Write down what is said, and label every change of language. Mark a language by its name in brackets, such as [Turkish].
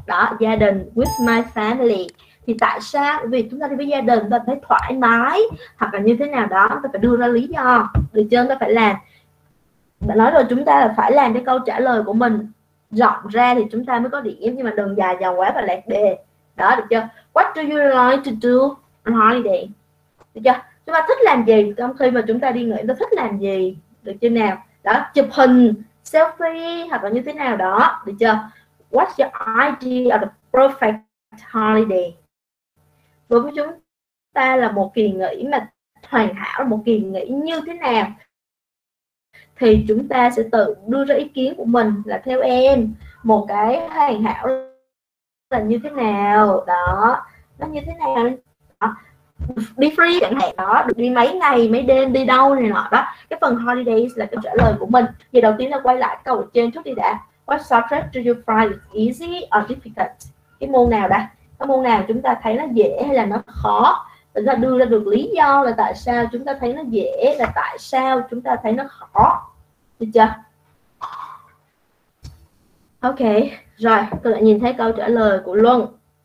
[Vietnamese] Đó, gia đình, [English] with my family. [Vietnamese] Thì tại sao? Vì chúng ta đi với gia đình ta phải thoải mái hoặc là như thế nào đó, ta phải đưa ra lý do. Được chưa? Ta phải làm. Mà nói rồi chúng ta phải làm cái câu trả lời của mình rộng ra thì chúng ta mới có điểm, nhưng mà đừng dài dòng quá và lẹt đề. Đó, được chưa? [English] What do you like to do on holiday? [Vietnamese] Được chưa? Chúng ta thích làm gì? Trong khi mà chúng ta đi nghỉ, ta thích làm gì? Được chưa nào? Đó, chụp hình, selfie hoặc là như thế nào đó. Được chưa? [English] What's your idea of the perfect holiday? [Vietnamese] Đối với chúng ta là một kỳ nghỉ mà hoàn hảo, một kỳ nghỉ như thế nào, thì chúng ta sẽ tự đưa ra ý kiến của mình là theo em một cái hoàn hảo là như thế nào đó, nó như thế nào đó. Đi free chẳng hạn đó, được đi mấy ngày mấy đêm, đi đâu này nọ đó. Cái phần holidays là câu trả lời của mình. Thì đầu tiên là quay lại câu trên chút đi đã. [English] What subject do you find easy or difficult? [Vietnamese] Cái môn nào đây? Cái môn nào chúng ta thấy nó dễ hay là nó khó? Chúng ta đưa ra được lý do là tại sao chúng ta thấy nó dễ, là tại sao chúng ta thấy nó khó. Được chưa? Ok, rồi, tôi lại nhìn thấy câu trả lời của Luân.